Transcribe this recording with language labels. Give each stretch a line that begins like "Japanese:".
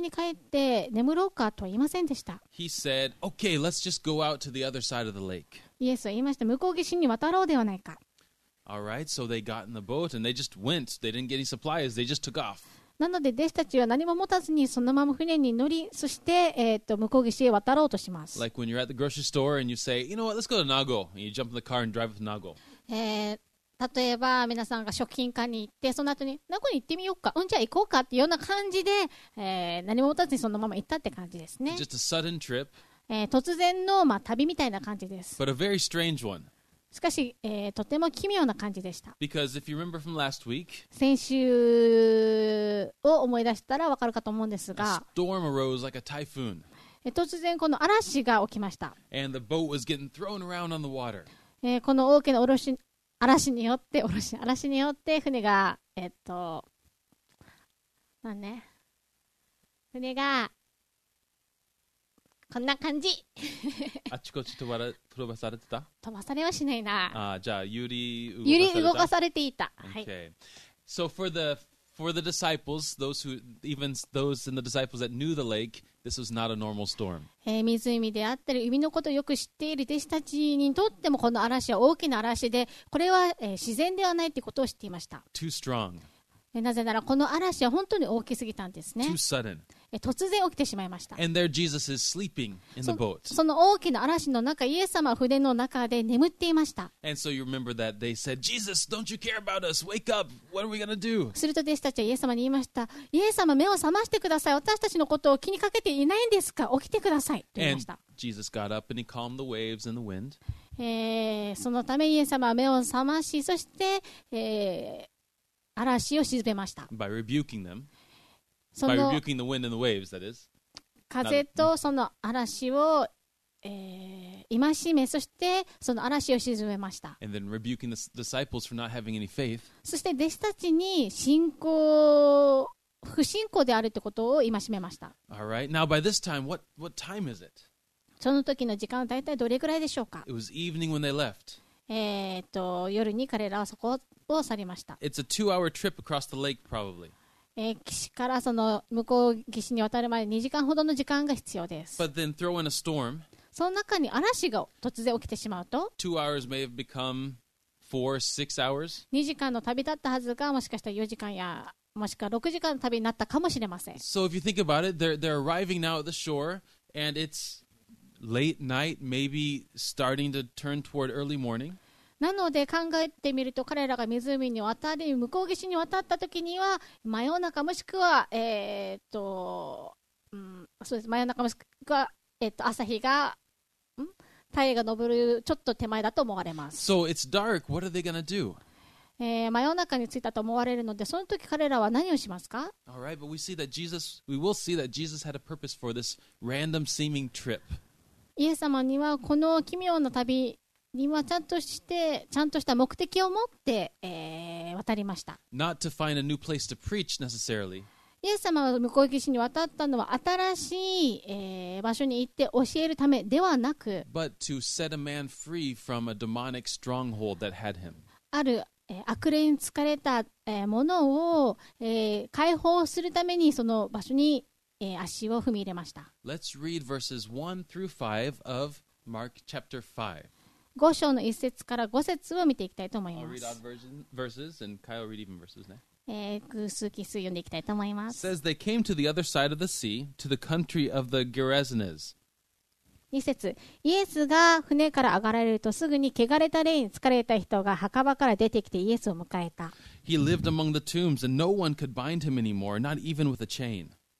Japanese: に帰って眠ろうかとは言いませんでした。
English: He said, okay, let's just go out to the other side of the lake.
Japanese: イエスは言いました向こう岸に渡ろうではないか。
English: All right, so they got in the boat and they just went. They didn't get any supplies. They just took off.
Japanese: なので弟子たちは何も持たずにそのまま船に乗り、そして向こう岸へ渡ろうとします。
English: Like when you're at the grocery store and you say, you know what, let's go to Nago. And you jump in the car and drive to Nago.
Japanese: 例えば皆さんが食品館に行って、その後に名古屋に行ってみようか。うん、じゃあ行こうかっていうような感じで、何も持たずにそのまま行ったって感じですね。
English: Just a sudden trip.
Japanese: 突然の、旅みたいな感じです。
English: But a very strange one.
Japanese: しかし、とても奇妙な感じでした。
English: Because if you remember from last week,
Japanese: 先週を思い出したら分かるかと思うんですが、
English: a storm arose like a typhoon.
Japanese: 突然この嵐が起きました。 And the boat was getting thrown around on the water. この大きな嵐によって船が、まあね、船が、こんな感じ。あちこち飛ばされてた？飛ばされはしないな。ああ、じゃあ揺り動かされていた。はい。
English: Okay. So for the disciples, those in the disciples that knew the lake, this was not a normal storm.
Japanese: 湖であったり海のことをよく知っている弟子たちにとってもこの嵐は大きな嵐で、これは、自然ではないということを知っていました。
English: Too strong.
Japanese: なぜならこの嵐は本当に大きすぎたんですね。
English: Too sudden.
Japanese: 突然起きてしまいました。
English: And there Jesus is sleeping in the boat.
Japanese: その大きな嵐の中、イエス様は船の中で眠っていました。
English: And so you remember that they said, Jesus, don't you care about us? Wake up! What are we gonna do?
Japanese: すると弟子たちはイエス様に言いました。イエス様、目を覚ましてください。私たちのことを気にかけていないんですか？起きてください。と言いました。
English: And Jesus got up and he calmed the waves and the wind.
Japanese: そのためイエス様は目を覚まし、そして、嵐を沈めました。
English: By rebuking them. By rebuking the wind and the waves, that is.
Japanese: 風とその嵐を、戒め、そしてその嵐を沈めました。
English: And then rebuking the disciples for not having any faith.
Japanese: そして弟子たちに信仰不信仰であるってことを今示ました。
English: All right. Now by this time, what time is it?
Japanese: その時の時間は大体どれくらいでしょうか?
English: It was evening when they left.
Japanese: 夜に彼らはそこを去りました。
English: It's a two-hour trip across the lake, probably.
Japanese: 岸からその向こう岸に渡るまで2時間ほどの時間が必要です。
English: But then throw in a storm.
Japanese: その中に嵐が突然起きてしまうと、
English: 2 hours may have become 4, 6 hours.
Japanese: 2時間の旅だったはずが、もしかしたら4時間や、もしくは6時間の旅になったかもしれません。
English: So if you think about it, they're arriving now at the shore, and it's late night, maybe starting to turn toward early morning.
Japanese: なので考えてみると、彼らが湖に渡り、向こう岸に渡った時には、真夜中もしくは、そうです、真夜中もしくは、朝日が、太陽が昇るちょっと手前だと思われます。
English: So it's dark, what are they gonna do?
Japanese: 真夜中に着いたと思われるので、その時彼らは何をしますか?
English: All right, but we see that Jesus, we will see that Jesus had a purpose for this random seeming trip.
Japanese: イエス様にはこの奇妙な旅にはちゃんとした目的を持って、渡りました。
English: Not to find a new place to preach necessarily.
Japanese: イエス様が向こう岸に渡ったのは新しい、場所に行って教えるためではなく、
English: But to set a man free from a demonic stronghold that had him.
Japanese: ある、悪霊に憑かれた、ものを、解放するためにその場所に、足を踏み入れました。
English: Let's read verses 1 through 5 of Mark chapter 5.
Japanese: 5章の1節から5節を見ていきたいと思います。
English: I'll read odd verses and Kyle read even verses next. Says they came to the other side of the sea, to the country of the Gerasenes.
Japanese: 2節、イエスが船から上がられるとすぐに汚れた霊に憑かれた人が墓場から出てきてイエスを迎えた。
English: He lived among the tombs and no one could bind him anymore, not even with a chain.